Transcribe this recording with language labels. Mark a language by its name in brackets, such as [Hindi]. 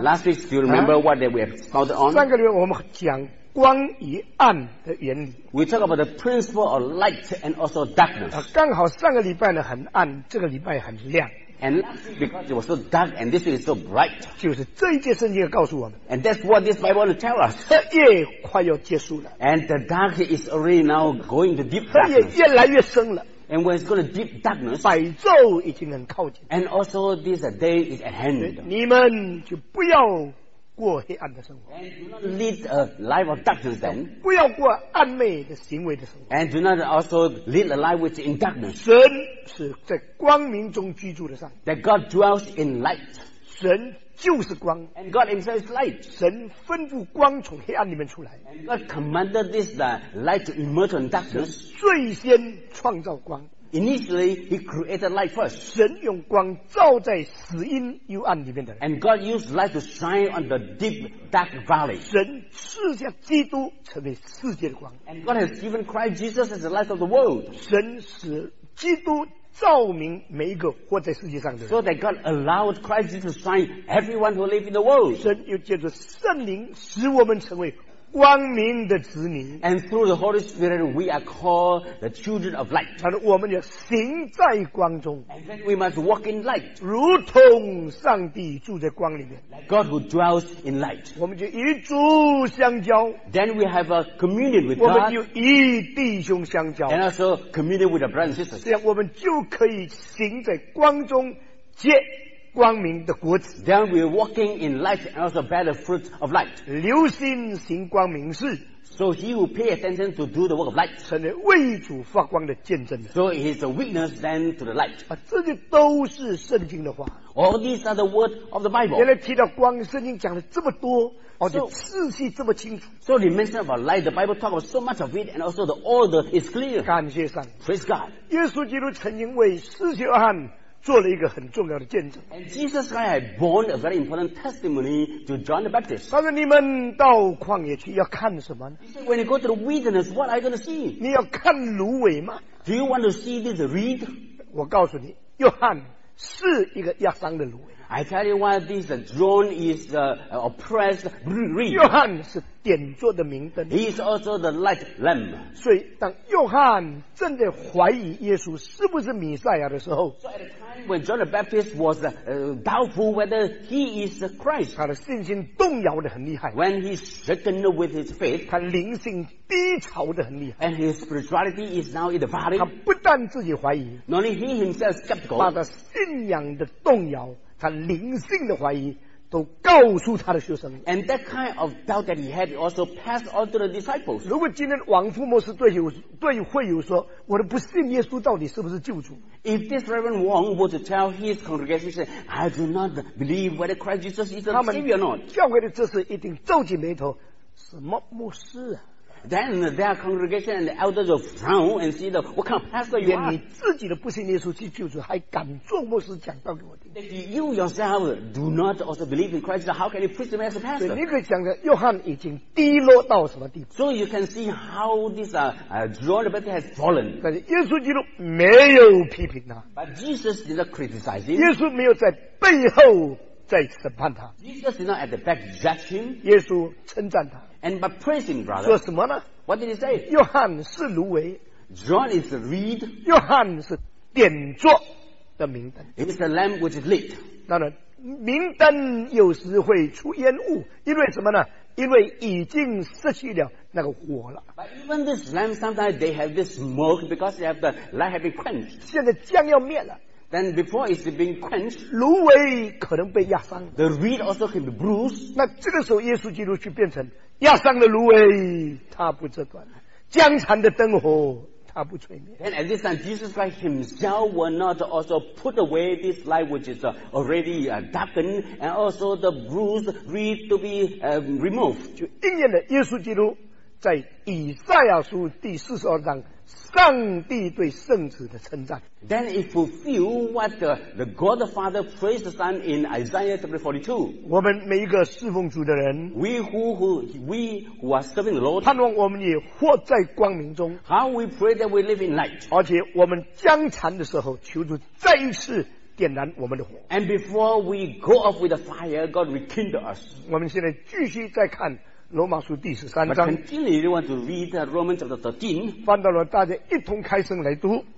[English] Last week, do you remember what we have started on? [Chinese] 上个礼拜我们讲光与暗的原理。 [English] We talk about the principle of light and also darkness. [Chinese] 刚好上个礼拜呢很暗，这个礼拜很亮。 [English] And because it was so dark, and this is so bright. [Chinese] 就是这一节圣经告诉我们。 [English] And that's what this Bible tells us. [Chinese] 黑夜快要结束了。 [English] And the dark is already now going to deep darkness. [Chinese] 黑夜越来越深了。 [English] And when it's going to deep darkness, [Chinese] 白昼已经很靠近。 [English] And also this day is at hand. [Chinese] 你们就不要过黑暗的生活。 [English] And do not lead a life of darkness then. [Chinese] 不要过暗昧的行为的生活。 [English] And do not also lead a life which is in darkness. [Chinese] 神是在光明中居住的上。 [English] That God dwells in light. [Chinese] 神就是光。 [English] And God himself is light. [Chinese] 神吩咐光从黑暗里面出来。 [English] And God commanded this light to emerge from darkness. [Chinese] 最先创造光。 [English] Initially, he created light first. [Chinese] 神用光照在死荫幽暗里面的人。 [English] And God used light to shine on the deep dark valley. [Chinese] 神赐下基督成为世界的光。 [English] And God has given Christ Jesus as the light of the world. [Chinese] 神使基督照明每一个活在世界上的人。 [English] So that God allowed Christ Jesus to shine everyone who live in the world. [Chinese] 神又借着圣灵使我们成为光明的子女。 [English] And through the Holy Spirit, we are called the children of light. [Chinese] 但是我们要行在光中。 [English] And then we must walk in light. [Chinese] 如同上帝住在光里面。 [English] Like God who dwells in light. [Chinese] 我们就与主相交。 [English] Then we have a communion with God. [Chinese] 我们就与弟兄相交。 [English] And also communion with the brothers and sisters. [Chinese] 这样我们就可以行在光中接光明的果子。 [English] Then we are walking in light and also bear the fruit of light. [Chinese] 留心行光明事。 [English] So he will pay attention to do the work of light. [Chinese] 成为为主发光的见证。 [English] So he is a witness then to the light. [Chinese] 这些都是圣经的话。 [English] All these are the words of the Bible. [Chinese] 原来提到光，圣经讲了这么多，而且次序这么清楚。 [English] So the mention of light, the Bible talks about so much of it, and also the order is clear. [Chinese] 感谢上帝。 [English] Praise God. [Chinese] 耶稣基督曾经为施洗约翰做了一个很重要的见证。 [English] And Jesus Christ had borne a very important testimony to John the Baptist. [Chinese] 他说：“你们到旷野去要看什么呢？” [English] He said, "When you go to the wilderness, what are you going to see?" [Chinese] 你要看芦苇吗？ [English] Do you want to see this reed? [Chinese] 我告诉你，约翰是一个压伤的芦苇。 [English] I tell you why this drone is oppressed reed. [Chinese] 约翰是点缀的明灯。 [English] He is also the light lamp. [Chinese] 所以当约翰正在怀疑耶稣是不是弥赛亚的时候， [English] so at the time when John the Baptist was doubtful whether he is Christ, [Chinese] 他的信心动摇得很厉害。 [English] When he's shaken with his faith, [Chinese] 他灵性低潮得很厉害。 [English] And his spirituality is now in the valley. [Chinese] 他不但自己怀疑， [English] not only he himself skeptical, [Chinese] 他的信仰的动摇，他灵性的怀疑都告诉他的学生。 [English] And that kind of doubt that he had also passed on to the disciples. [Chinese] 如果今天王福牧师对会友说，我的不信耶稣到底是不是救主？ [English] If this Reverend Wong were to tell his congregation, say, I do not believe whether Christ Jesus is a savior or not. [Chinese] 教会的这事一定皱起眉头，什么牧师啊？ [English] Then their congregation and the elders will frown and see the what kind of pastor you are. [Chinese] 你自己都不信耶稣去救主，还敢做牧师讲道给我听？ [English] You yourself do not also believe in Christ. How can you preach him as a pastor? [Chinese] 你可以想着，约翰已经低落到什么地步？ [English] So you can see how this John the Baptist has fallen. [Chinese] 但是耶稣基督没有批评他。 [English] But Jesus did not criticize him. [Chinese] 耶稣没有在背后在审判他。 [English] Jesus did not at the back judge him. [Chinese] 耶稣称赞他。 [English] And by praising brother, [Chinese] 说什么呢？ [English] What did he say? [Chinese] 约翰是芦苇， [English] John is the reed. [Chinese] 约翰是点缀的明灯， [English] It is the lamp which is lit. [Chinese] 当然，明灯有时会出烟雾，因为什么呢？因为已经失去了那个火了。 [English] But even this lamp, sometimes they have this smoke because they have the light have been quenched. [Chinese] 现在将要灭了。 [English] Then before it's been quenched, [Chinese] 芦苇可能被压伤。 [English] The reed also can be bruised. [Chinese] 那这个时候，耶稣基督就变成压伤的芦苇，他不折断；江残的灯火，他不吹灭。 [English] And at this time, Jesus Christ Himself will not also put away this light which is already darkened, and also the bruised reed to be removed. [Chinese] 就应验了耶稣基督在以赛亚书第四十二章上帝对圣子的称赞。 [English] Then it fulfilled what the God the Father praised the Son in Isaiah chapter 42. [Chinese] 我们每一个侍奉主的人， [English] We who are serving the Lord, [Chinese] 盼望我们也活在光明中。 [English] How we pray that we live in light. [Chinese] 而且我们将残的时候，求主再一次点燃我们的火。 [English] And before we go off with the fire, God rekindle us. [Chinese] 我们现在继续再看罗马书第十三章。 [English] But continually, we want to read Romans chapter 13. [Chinese] 翻到了大家一同开声来读。